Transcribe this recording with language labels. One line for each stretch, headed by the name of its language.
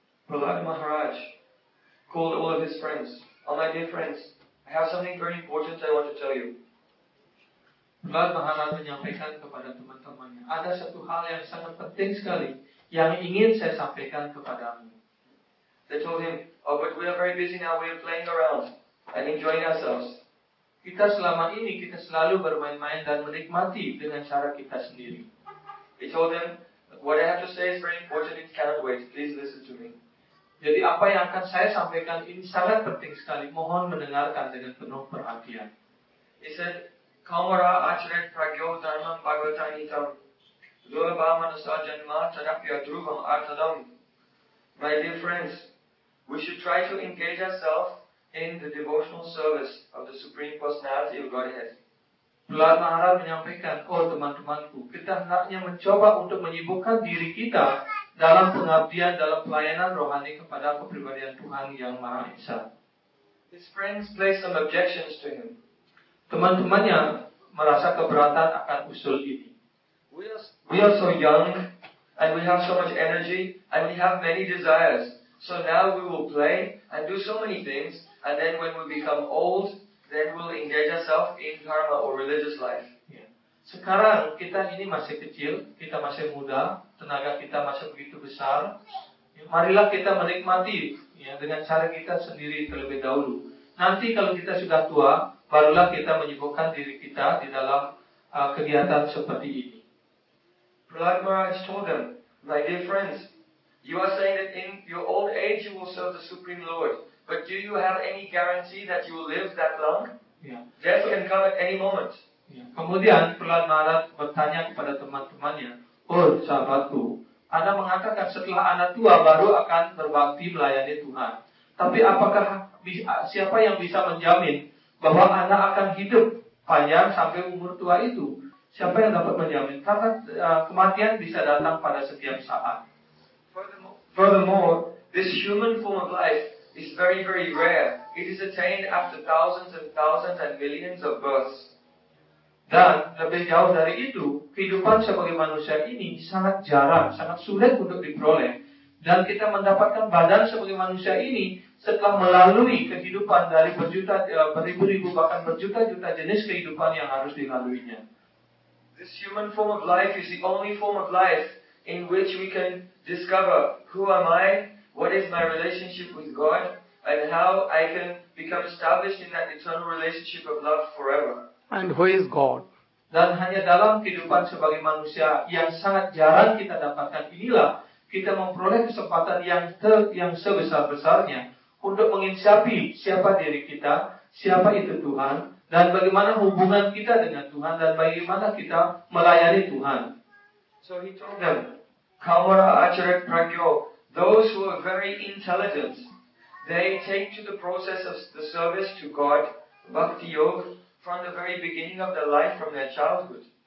English: Prahlad Maharaj called all of his friends. "Oh, my dear friends, I have something very important I want to tell you."
Indonesian: Prahlad Maharaj menyampaikan kepada teman-temannya, "Ada satu hal yang sangat penting sekali yang ingin saya sampaikan kepadamu."
English: They told him, "Oh, but we are very busy now. We are playing around and enjoying ourselves."
Indonesian: Kita selama ini kita selalu bermain-main dan menikmati dengan cara kita sendiri.
English: He told them, "What I have to say is very important. It cannot wait. Please listen to me."
Indonesian: Jadi apa yang akan saya sampaikan ini sangat penting sekali. Mohon mendengarkan dengan penuh perhatian.
English: He said,
Sanskrit: "Kamara acharan pragyo dharma bhagavatam dhurabha manasa janma tadapya dhruvam artadam."
English: My dear friends, we should try to engage ourselves in the devotional service of the Supreme Personality of Godhead.
Indonesian: Prahlad Maharaj menyampaikan, "Oh teman-temanku, kita hendaknya mencoba untuk menyibukkan diri kita dalam pengabdian, dalam pelayanan rohani kepada kepribadian Tuhan Yang Maha Esa."
English: His friends placed some objections to him.
Indonesian: Teman-temannya merasa keberatan akan usul ini.
English: We are so young, and we have so much energy, and we have many desires. So now we will play and do so many things, and then when we become old, then we'll engage ourselves in karma or religious life.
Indonesian: Sekarang kita ini masih kecil, kita masih muda, tenaga kita masih begitu besar. Marilah kita menikmati dengan cara kita sendiri terlebih dahulu. Nanti kalau kita sudah tua, barulah kita menyibukkan diri kita di dalam kegiatan seperti ini.
English: Prahlad Maharaj told them, "My dear friends, you are saying that in your old age you will serve the Supreme Lord. But do you have any guarantee that you will live that long? Death can come at any moment."
Indonesian: Kemudian Prahlad Maharaj bertanya kepada teman-temannya, "Oh sahabatku, Anda mengatakan setelah Anda tua baru akan berbakti melayani Tuhan. Tapi apakah siapa yang bisa menjamin bahwa Anda akan hidup panjang sampai umur tua itu? Siapa yang dapat menjamin? Karena kematian bisa datang pada setiap saat."
English: Furthermore, this human form of life is very, very rare. It is attained after thousands and thousands and millions of births.
Indonesian: Dan lebih jauh dari itu, kehidupan sebagai manusia ini sangat jarang, sangat sulit untuk diperoleh. Dan kita mendapatkan badan sebagai manusia ini setelah melalui kehidupan dari berjuta, beribu-ribu, bahkan berjuta-juta jenis kehidupan yang harus dilaluinya.
English: This human form of life is the only form of life in which we can discover who am I, what is my relationship with God, and how I can become established in that eternal relationship of love forever. And who is God?
Indonesian: Dan hanya dalam kehidupan sebagai manusia yang sangat jarang kita dapatkan inilah kita memperoleh kesempatan yang sebesar-besarnya untuk menginsyafi siapa diri kita, siapa itu Tuhan, dan bagaimana hubungan kita dengan Tuhan, dan bagaimana kita melayani Tuhan.
English: So he told them,
Sanskrit: "Kamara acharat pragyo,
English: those who are very intelligent, they take to the process of the service to God, bhakti yoga, from the very beginning of their life, from their childhood."